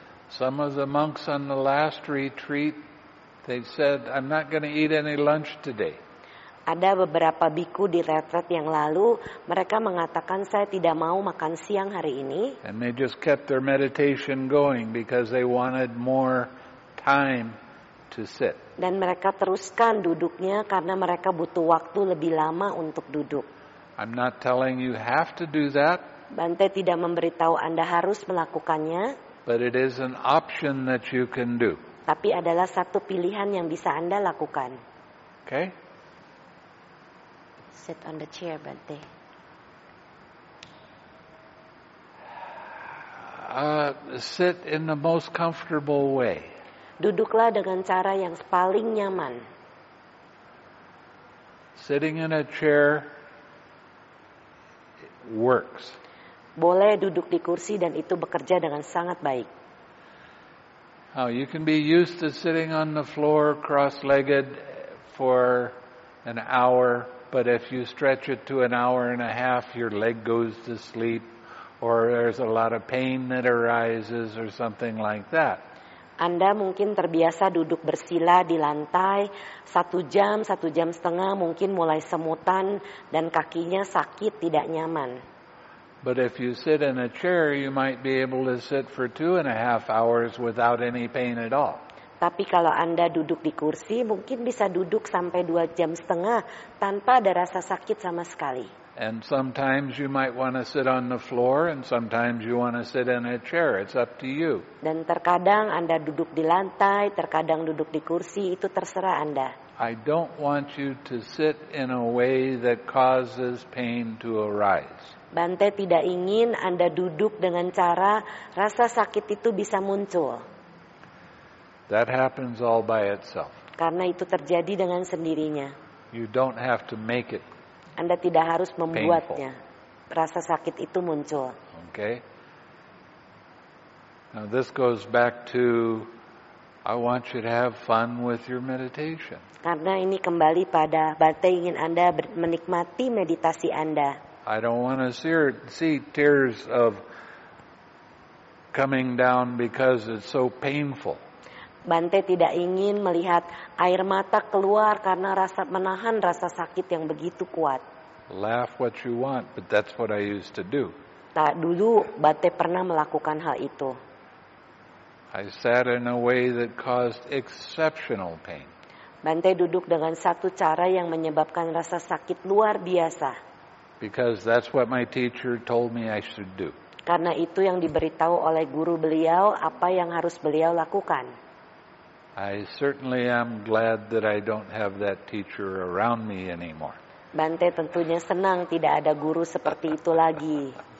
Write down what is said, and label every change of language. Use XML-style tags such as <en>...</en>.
<en>Some of the monks on the last retreat, they said, I'm not going to eat any lunch today.</en> <id>Ada beberapa biku di retret yang lalu, mereka mengatakan saya tidak mau makan siang hari ini.</id> <en>And they just kept their meditation going because they wanted more time to sit.</en> <id>Dan mereka teruskan duduknya karena mereka butuh waktu lebih lama untuk duduk.</id> <en>I'm not telling you have to do that.</en> <id>Bante tidak memberitahu Anda harus melakukannya.</id> <en>But it is an option that you can do.</en> <id>Tapi adalah satu pilihan yang bisa Anda lakukan.</id> <en>Okay. Sit on the chair, Bante. Sit in the most comfortable way.</en> <id>Duduklah dengan cara yang paling nyaman.</id> <en>Sitting in a chair works.</en> <id>Boleh duduk di kursi dan itu bekerja dengan sangat baik.</id> <en>Oh, you can be used to sitting on the floor cross-legged for an hour But if you stretch it to an hour and a half, your leg goes to sleep, or there's a lot of pain that arises, or something like that.</en> <id>Anda mungkin terbiasa duduk bersila di lantai satu jam setengah, mungkin mulai semutan dan kakinya sakit, tidak nyaman.</id> <en>But if you sit in a chair, you might be able to sit for 2.5 hours without any pain at all.</en> <id>Tapi kalau Anda duduk di kursi, mungkin bisa duduk sampai 2.5 jam tanpa ada rasa sakit sama sekali.</id> <en>And sometimes you might want to sit on the floor, and sometimes you want to sit in a chair. It's up to you.</en> <id>Dan terkadang Anda duduk di lantai, terkadang duduk di kursi, itu terserah Anda.</id> <en>I don't want you to sit in a way that causes pain to arise.</en> <id>Bante tidak ingin Anda duduk dengan cara rasa sakit itu bisa muncul.</id> <en>That happens all by itself.</en> <id>Karena itu terjadi dengan sendirinya.</id> <en>You don't have to make it.</en> <id>Anda tidak harus membuatnya.</id> <en>Painful.</en> <id>Rasa sakit itu muncul.</id> <en>Okay. Now this goes back to I want you to have fun with your meditation.</en> <id>Karena ini kembali pada Bante ingin Anda menikmati meditasi Anda.</id> <en>I don't want to see tears of coming down because it's so painful.</en> <id>Bante tidak ingin melihat air mata keluar karena rasa menahan rasa sakit yang begitu kuat.</id> <en>Laugh what you want, but that's what I used to do.</en> <id>Tak dulu Bante pernah melakukan hal itu.</id> <en>I sat in a way that caused exceptional pain.</en> <id>Bante duduk dengan satu cara yang menyebabkan rasa sakit luar biasa.</id> <en>Because that's what my teacher told me I should do.</en> <id>Karena itu yang diberitahu oleh guru beliau apa yang harus beliau lakukan.</id> <en>I certainly am glad that I don't have that teacher around me anymore.</en> <id>Bante tentunya senang tidak ada guru seperti itu lagi.</id>